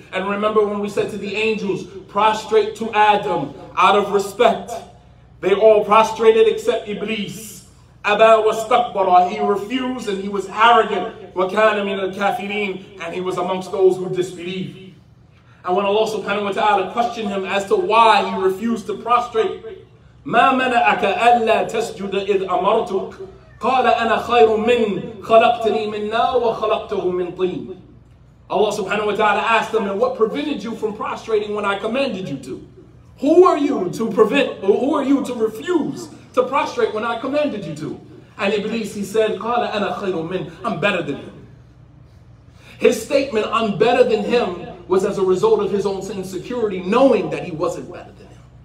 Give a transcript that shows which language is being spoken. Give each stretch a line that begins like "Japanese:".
English: And remember when we said to the angels, prostrate to Adam out of respect. They all prostrated except Iblis.
Arabic: أَبَى وَاسْتَكْبَرَ.
English: He refused and he was arrogant.
Arabic: وَكَانَ مِنَ الْكَافِرِينَ.
English: And he was amongst those who disbelieved. And when Allah subhanahu wa ta'ala questioned him as to why he refused to prostrate,
Arabic: مَا مَنَأَكَ أَلَّا تَسْجُدَ إِذْ أَمَرْتُكَ قَالَ أَنَا خَيْرٌ مِنْ خَلَقْتَنِي مِنْ نَارٍ وَخَلَقْتَهُ مِنْ طِينٍ.
English: Allah subhanahu wa ta'ala asked them, and what prevented you from prostrating when I commanded you to? Who are you to prevent, or who are you to refuse to prostrate when I commanded you to? And Iblis, he said,
Arabic: قَالَ أَنَا خَيْرٌ مِنْ.
English: I'm better than him. His statement, I'm better than him, was as a result of his own insecurity, knowing that he wasn't better than him.